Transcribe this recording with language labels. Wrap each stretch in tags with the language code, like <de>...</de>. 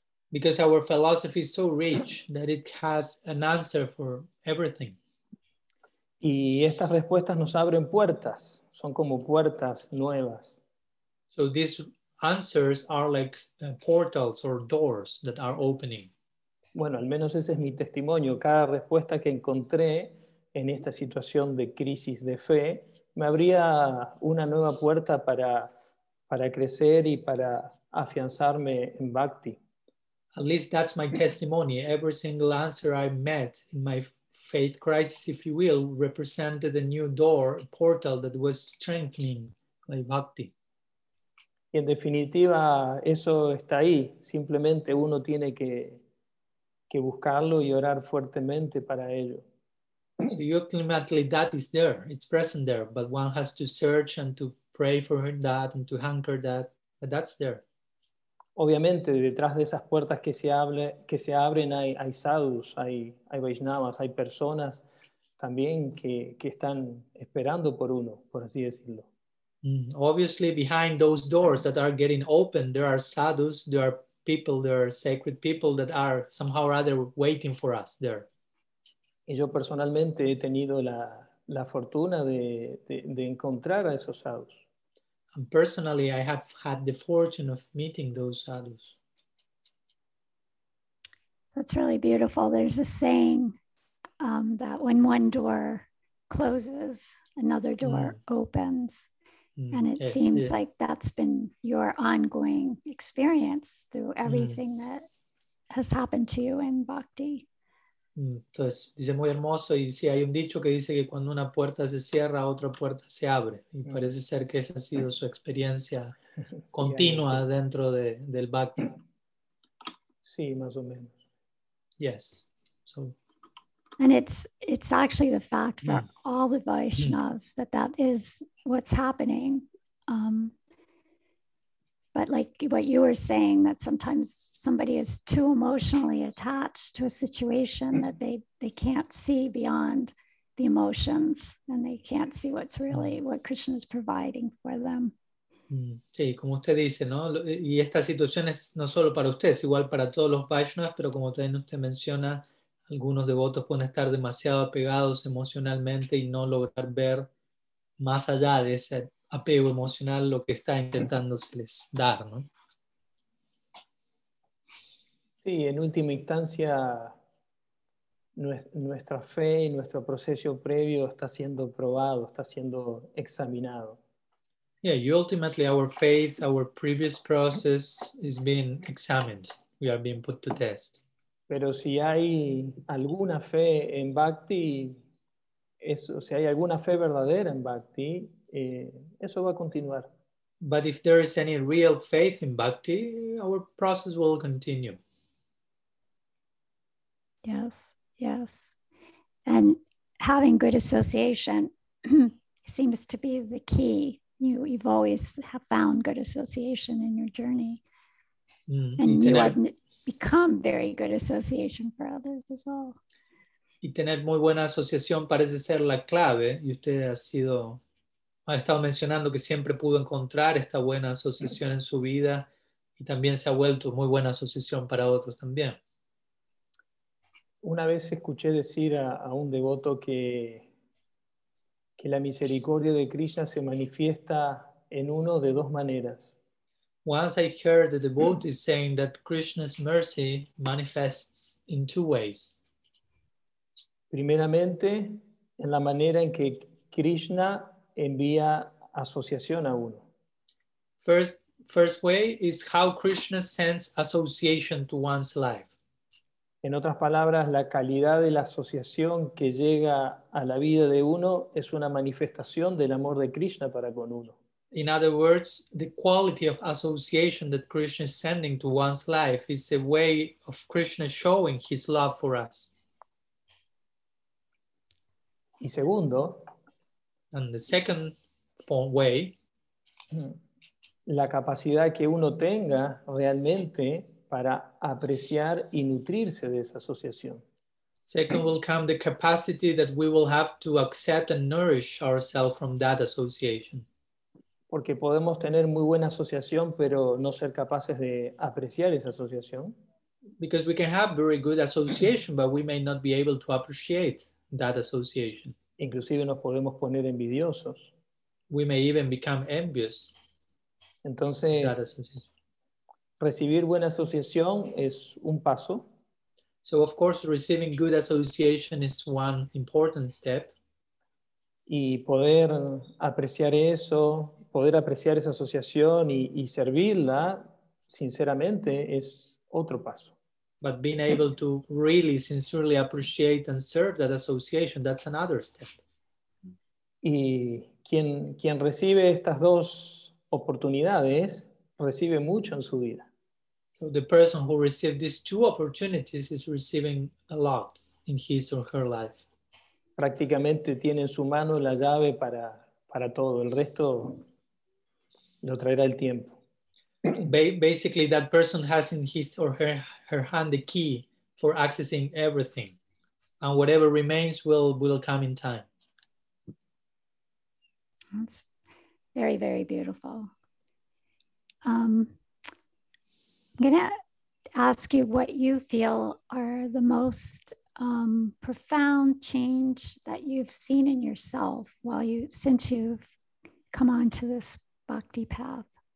<en>Because our philosophy is so rich that it has an answer for everything.</en> <es>Y estas respuestas nos abren puertas, son como puertas nuevas.</es> <en>So these answers are like portals or doors that are opening.</en> <es>Bueno, al menos ese es mi testimonio. Cada respuesta que encontré en esta situación de crisis de fe me abría una nueva puerta para crecer y para afianzarme en bhakti.</es> <en>At least that's my testimony. Every single answer I met in my faith crisis, if you will, represented a new door, a portal that was strengthening my bhakti.</en> <es>Y en definitiva, eso está ahí. Simplemente uno tiene que buscarlo y orar fuertemente para ello.</es> <en>So ultimately, that is there. It's present there. But one has to search and to pray for that and to hunger that. But that's there.</en> <es>Obviamente, detrás de esas puertas que se abren hay sadhus, hay Vaishnavas, hay personas también que están esperando por uno, por así decirlo.</es> <en>Obviously, behind those doors that are getting open, there are sadhus, there are people, there are sacred people that are somehow or other waiting for us there.</en> <es>Y yo personalmente he tenido la fortuna de encontrar a esos sadhus.</es> <en>And personally, I have had the fortune of meeting those sadhus. That's really beautiful. There's a saying that when one door closes, another door opens. And it seems like that's been your ongoing experience through everything that has happened to you in bhakti.</en> <es>Entonces, dice muy hermoso, y sí, hay un dicho que dice que cuando una puerta se cierra, otra puerta se abre. Y parece ser que esa ha sido su experiencia continua dentro del bhakti. Sí, más o menos.</es> <en>Yes. So. And it's actually the fact for all the Vaishnavas that is what's happening. But like what you were saying, that sometimes somebody is too emotionally attached to a situation that they can't see beyond the emotions and they can't see what's really what Krishna is providing for them.</en> <es>Sí, como usted dice, ¿no? Y esta situación es no solo para usted, es igual para todos los Vaishnavas, pero como también usted menciona, algunos devotos pueden estar demasiado apegados emocionalmente y no lograr ver más allá de ese apego emocional lo que está intentándoseles dar, ¿no? Sí, en última instancia, nuestra fe y nuestro proceso previo está siendo probado, está siendo examinado.</es> <en>Yeah, ultimately our faith, our previous process is being examined. We are being put to test.</en> <es>Pero si hay alguna fe en bhakti, si hay alguna fe verdadera en bhakti, eso va a continuar.</es> <en>But if there is any real faith in bhakti, our process will continue. Yes, yes. And having good association seems to be the key. You've always have found good association in your journey. And you have become very good association for others as well.</en> <es>Y tener muy buena asociación parece ser la clave, y usted ha estado mencionando que siempre pudo encontrar esta buena asociación en su vida, y también se ha vuelto muy buena asociación para otros también. Una vez escuché decir a un devoto que la misericordia de Krishna se manifiesta en uno de dos maneras.</es> <en>Once I heard the devotee saying that Krishna's mercy manifests in two ways.</en> <es>Primeramente, en la manera en que Krishna envía asociación a uno.</es> <en>First way is how Krishna sends association to one's life.</en> <es>En otras palabras, la calidad de la asociación que llega a la vida de uno es una manifestación del amor de Krishna para con uno.</es> <en>In other words, the quality of association that Krishna is sending to one's life is a way of Krishna showing his love for us.</en> <es>Y segundo,</es> <en>and the second way,</en> <es>la capacidad que uno tenga realmente para apreciar y nutrirse de esa asociación.</es> <en>Second will come the capacity that we will have to accept and nourish ourselves from that association.</en> <es>Porque podemos tener muy buena asociación, pero no ser capaces de apreciar esa asociación.</es> <en>Because we can have very good association, but we may not be able to appreciate that association.</en> <es>Inclusive nos podemos poner envidiosos.</es> <en>We may even become envious.</en> <es>Entonces,</es> <en>that association.</en> <es>Recibir buena asociación es un paso.</es> <en>So of course, receiving good association is one important step.</en> <es>Y poder apreciar eso, poder apreciar esa asociación y servirla, sinceramente, es otro paso.</es> <en>But being able to really sincerely appreciate and serve that association, that's another step.</en> <es>Y quien recibe estas dos oportunidades, recibe mucho en su vida.</es> <en>So the person who received these two opportunities is receiving a lot in his or her life.</en> <es>Prácticamente tiene en su mano la llave para todo. El resto lo traerá el tiempo.</es> <en>Basically, that person has in his or her hand the key for accessing everything, and whatever remains will come in time. That's very, very beautiful. I'm gonna ask you what you feel are the most profound change that you've seen in yourself since you've come onto this bhakti path.</en>